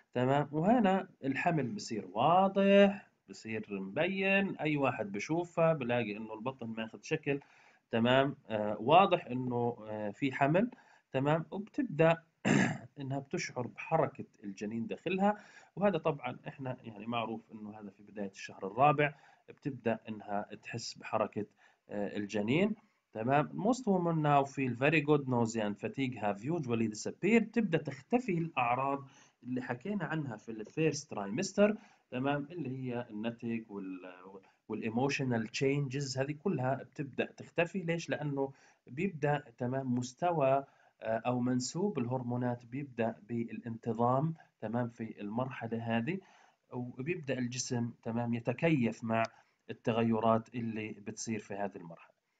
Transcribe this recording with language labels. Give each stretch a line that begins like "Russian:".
Arabic: تمام، وهنا الحمل بصير واضح، بصير مبين، اي واحد بشوفه بلاقي انه البطن ماخذ شكل، تمام، واضح انه في حمل. تمام، وبتبدأ انها بتشعر بحركة الجنين داخلها، وهذا طبعا احنا يعني معروف انه هذا في بداية الشهر الرابع بتبدأ انها تحس بحركة الجنين.
English: تمام، most women now feel very good, nausea and fatigue have usually disappeared.
Arabic: تبدأ تختفي الأعراض اللي حكينا عنها في الـ first trimester، تمام، اللي هي النتج والـ emotional changes، هذه كلها بتبدأ تختفي. ليش؟ لأنه بيبدأ تمام مستوى أو منسوب الهرمونات بيبدأ بالانتظام، تمام، في المرحلة هذه، وبيبدأ الجسم تمام يتكيف مع التغيرات اللي بتصير في هذه المرحلة.